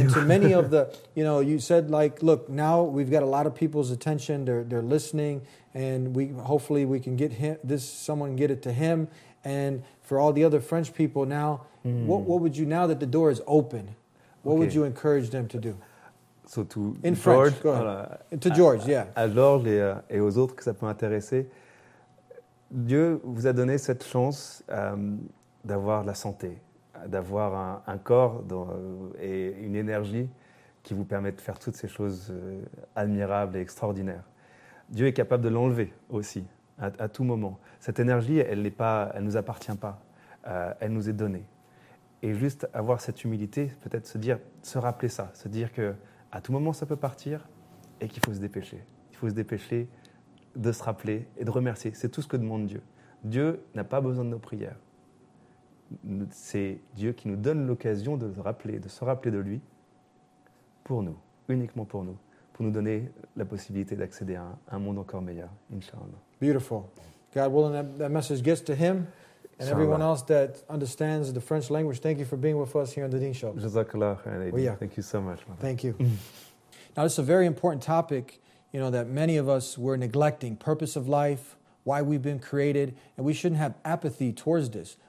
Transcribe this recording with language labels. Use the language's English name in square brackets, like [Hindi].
[English] And to many of the, you know, you said like, look, now we've got a lot of people's attention. They're listening, and we hopefully we can get him, this someone get it to him. And for all the other French people now, what would you, now that the door is open, would you encourage them to do? So to in George, French, go ahead. Voilà. To George, yeah. [French] Alors les et aux autres que ça peut intéresser, Dieu vous a donné cette chance. D'avoir la santé, d'avoir un corps et une énergie qui vous permet de faire toutes ces choses admirables et extraordinaires. Dieu est capable de l'enlever aussi, à tout moment. Cette énergie, elle nous appartient pas, elle nous est donnée. Et juste avoir cette humilité, peut-être se rappeler ça, se dire qu'à tout moment ça peut partir et qu'il faut se dépêcher. Il faut se dépêcher de se rappeler et de remercier. C'est tout ce que demande Dieu. Dieu n'a pas besoin de nos prières. C'est Dieu qui nous donne l'occasion de se rappeler de lui pour nous, uniquement pour nous donner la possibilité d'accéder à un monde encore meilleur, Inch'Allah. [English] Beautiful. God willing, that message gets to him and everyone else that understands the French language. Thank you for being with us here on the Deen Show. Jazakallah, thank you so much. Thank you. Now, this is a very important topic, you know, that many of us were neglecting, purpose of life, why we've been created, and we shouldn't have apathy towards this.